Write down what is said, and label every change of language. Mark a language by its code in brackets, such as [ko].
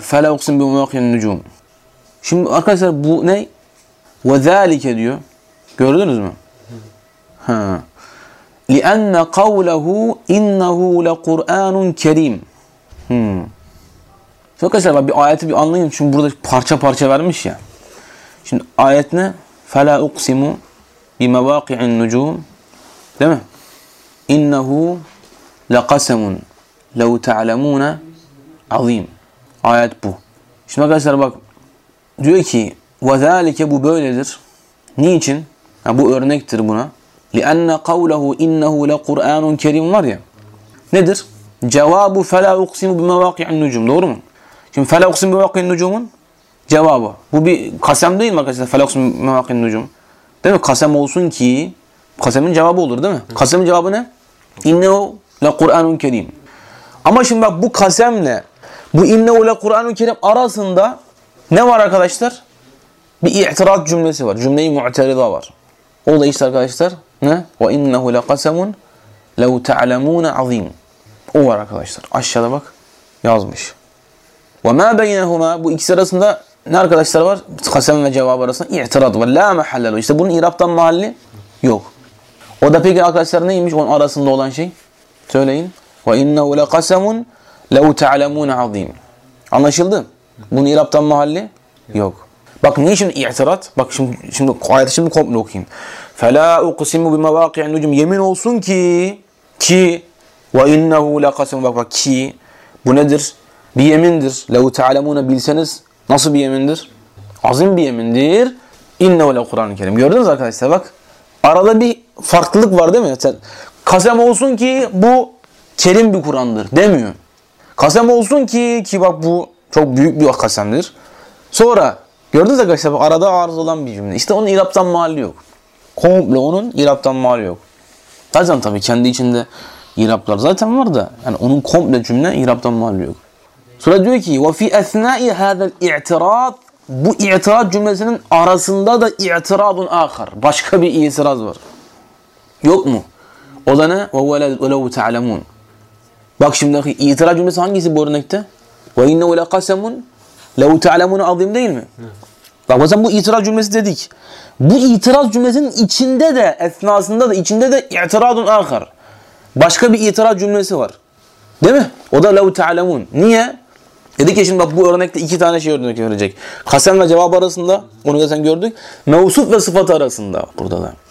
[ar] Fela uksin bi muvakiyen nücum. [tr] Şimdi arkadaşlar bu ne? Ve zâlike diyor. Gördünüz mü? Ha. [ar] لِأَنَّ قَوْلَهُ اِنَّهُ لَقُرْآنٌ كَرِيمٌ [tr] Şimdi arkadaşlar bak, bir ayeti bir anlayın. Çünkü burada parça parça vermiş ya. Şimdi ayet ne? [ar] فَلَا اُقْسِمُ بِمَوَاقِعِ النُّجُومِ [tr] Değil mi? [ar] اِنَّهُ لَقَسَمٌ لَوْ تَعْلَمُونَ عَظِيمٌ [tr] Ayet bu. Şimdi arkadaşlar bak, diyor ki وَذَٰلِكَ bu böyledir. Niçin? Ya bu örnektir buna. [ar] لِأَنَّ قَوْلَهُ اِنَّهُ لَقُرْآنٌ كَرِيمٌ [tr] var ya. Nedir? Cevabı [ar] فَلَا اُقْسِمُ بِمَوَاقِعِ النُّجُومِ [tr] Doğru mu? Şimdi [ar] فَلَا اُقْسِمُ بِمَوَاقِعِ النُّجُومِ [tr] cevabı. Bu bir kasem değil mi arkadaşlar? [ar] فَلَا اُقْسِمُ بِمَوَاقِعِ النُّجُومِ [tr] Değil mi? Kasem olsun ki, kasemin cevabı olur değil mi? Kasemin cevabı ne? [ar] اِنَّهُ لَقُرْآنٌ كَرِيمٌ [tr] Ama şimdi bak, bu kasemle bu اِنَّهُ لَقُرْآنٌ كَرِيمٌ arasında ne var arkadaşlar? Bir itiraz cümlesi var. Cümleyi mu'terida var. O da işte arkadaşlar ne? [ar] وَاِنَّهُ لَقَسَمٌ لَوْ تَعْلَمُونَ عَظِيمٌ [tr] O var arkadaşlar. Aşağıda bak yazmış. [ar] وَمَا بَيْنَهُمَا [tr] Bu ikisi arasında ne arkadaşlar var? Kasem ve cevap arasında i'tirad var. [ar] لَا مَحَلَّلُ [tr] İşte bunun İrab'tan mahalli yok. O da peki arkadaşlar neymiş onun arasında olan şey? Söyleyin. [ar] وَاِنَّهُ لَقَسَمٌ لَوْ تَعْلَمُونَ عَظِيمٌ [tr] Anlaşıldı. Bunun İrab'tan mahalli yok. Bak niye şimdi i'tirad? Bak şimdi ayeti şimdi komple okuyayım. [ar] فَلَا اُقْسِمُ بِمَوَاقِعِ النُّجُمِ [tr] Yemin olsun ki [ar] وَاِنَّهُ لَقَسَمُ [tr] Bak bak, ki bu nedir? Bir yemindir. [ar] لَوْ تَعْلَمُونَ [tr] Bilseniz nasıl bir yemindir? Azim bir yemindir. [ar] اِنَّهُ لَقُرْآنِ الْكَرِيمِ [tr] Gördünüz arkadaşlar bak. Arada bir farklılık var değil mi? Sen, kasem olsun ki bu kerim bir Kur'an'dır demiyor. Kasem olsun ki bak bu çok büyük bir kasemdir. Sonra gördünüz arkadaşlar bak, arada arız olan bir cümle. İşte onun İrab'tan mahalli yok. Komple onun İrab'tan mahalli yok. Zaten tabii kendi içinde İrab'lar zaten var da. Yani onun komple cümle İrab'tan mahalli yok. Sonra diyor ki [ar] وَفِي أَثْنَاءِ هَذَا الْاِعْتِرَاد [tr] Bu itiraz cümlesinin arasında da itirazun ahar. Başka bir itiraz var. Yok mu? O da ne? [ar] وَلَوْ تَعْلَمُونَ [tr] Bak şimdi itiraz cümlesi hangisi bu örnekte? [ar] وَاِنَّهُ لَقَسَمٌ لَوْ تَعْلَمُونَ عَظِيمٌ [tr] değil mi? Hı. Bak mesela bu itiraz cümlesi dedik. Bu itiraz cümlesinin içinde de, esnasında da, içinde de itirazun ahar. Başka bir itiraz cümlesi var. Değil mi? O da [ar] لَوْ تَعْلَمُونَ [tr] Niye? Dedik ya şimdi bak, bu örnekte iki tane şey örnek verecek. Kasem ve cevap arasında, onu da sen gördük. Mevsuf ve sıfatı arasında. Burada da.